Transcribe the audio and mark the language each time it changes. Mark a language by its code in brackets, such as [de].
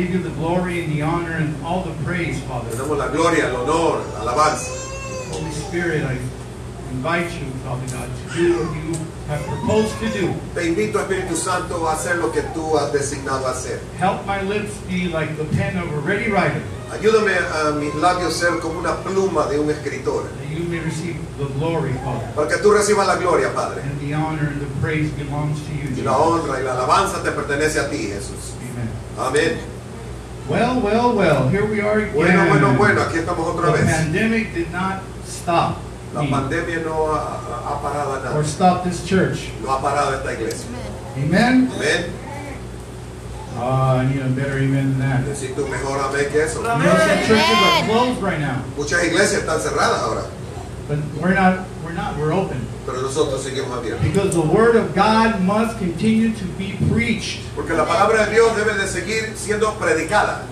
[en] Give you the glory and the honor and all the praise, Father. [es] Damos la gloria, el honor, la alabanza. [en] Holy Spirit, I invite you, Father God, to do what you have proposed to do. [es] Te invito, Espíritu Santo, a hacer lo que tú has designado hacer. [en] Help my lips be like the pen of a ready writer. [es] Ayúdame a mis labios ser como una pluma de un escritor. [en] That you may receive the glory, Father. [es] Para que tú recibas la gloria, Padre. [en] And the honor and the praise belongs to you. [es] Y la honra y la alabanza te pertenece a ti, Jesús. [en] Amen. [es] Amén. [en] Well, well, well. Here we are again. [es] Bueno, bueno, bueno. Aquí estamos otra [en] the [es] vez. [en] The pandemic did not stop. [es] La pandemia no ha parado nada. [en] Or stop this church. [es] No ha parado esta iglesia. [en] Amen. [es] Amen. [en] I need a better amen than that. [es] Necesito mejor amén que eso. [en] Most churches are closed right now. [es] Muchas iglesias están cerradas ahora. [en] But we're not. We're open. [es] Pero nosotros seguimos abiertos. [en] Because the word of God must continue to be preached. [es] Porque la palabra de Dios debe de seguir siendo predicada.